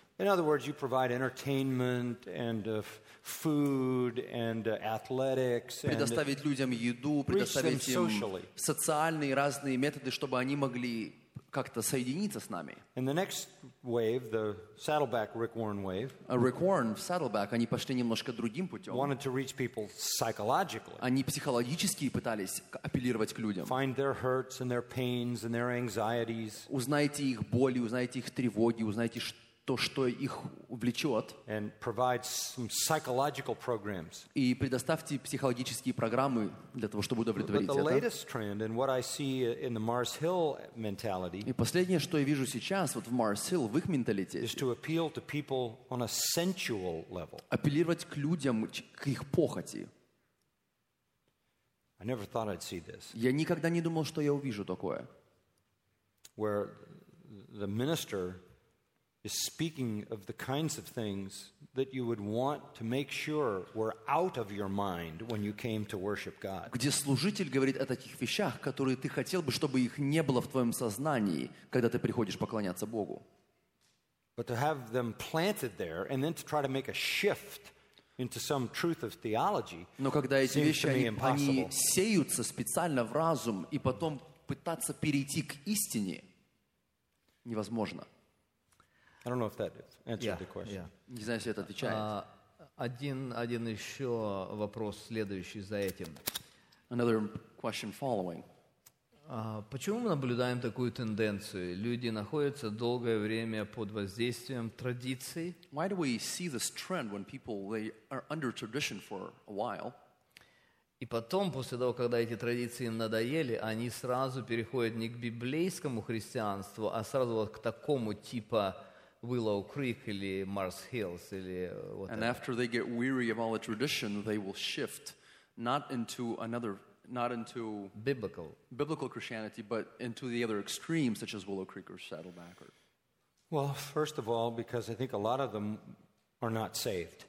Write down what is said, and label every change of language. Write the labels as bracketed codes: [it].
[en] In other words, you provide entertainment and food and athletics and [ru] предоставить людям еду, предоставить им [en] socially. [ru] Социальные разные методы, чтобы они могли как-то соединиться с нами. [en] And the next wave, the Saddleback Rick Warren wave. [ru] Rick Warren в Saddleback они пошли немножко другим путем. [en] Wanted to reach people psychologically. [ru] Они психологически пытались апеллировать к людям. [en] Find their hurts and their pains and their anxieties. [ru] Узнайте их боли, узнайте их тревоги, узнайте то, что их увлечет, [en] and provide some psychological programs. [ru] И предоставьте психологические программы для того, чтобы удовлетворить это. [en] But the latest trend and what I see in the Mars Hill mentality. [ru] И последнее, что я вижу сейчас вот в Mars Hill в их менталитете. [en] Is to appeal to people on a sensual level. [ru] Апеллировать к людям к их похоти. [en] I never thought I'd see this. [ru] Я никогда не думал, что я увижу такое. [en] Where the minister is speaking of the kinds of things that you would want to make sure were out of your mind when you came to worship God. [ru] Где служитель говорит о таких вещах, которые ты хотел бы, чтобы их не было в твоем сознании, когда ты приходишь поклоняться Богу. [en] But to have them planted there and then to try to make a shift into some truth of theology. [ru] Но когда эти вещи они сеются специально в разум и потом пытаться перейти к истине, невозможно. [en] I don't know if that answered the question. [ru] Не знаю, если это отвечает. Один еще вопрос следующий за этим. [en] Another question following. [ru] Почему мы наблюдаем такую тенденцию? Люди находятся долгое время под воздействием традиций. [en] Why do we see this trend when people they are under tradition for a while? [ru] И потом, после того, когда эти традиции надоели, они сразу переходят не к библейскому христианству, а сразу вот к такому типа Willow Creek или Mars Hills или вот. [en] And after they get weary of all the tradition, they will shift not into another, not into biblical Christianity, but into the other extreme, such as Willow Creek or Saddleback. Or... Well, first of all, because I think a lot of them are not saved.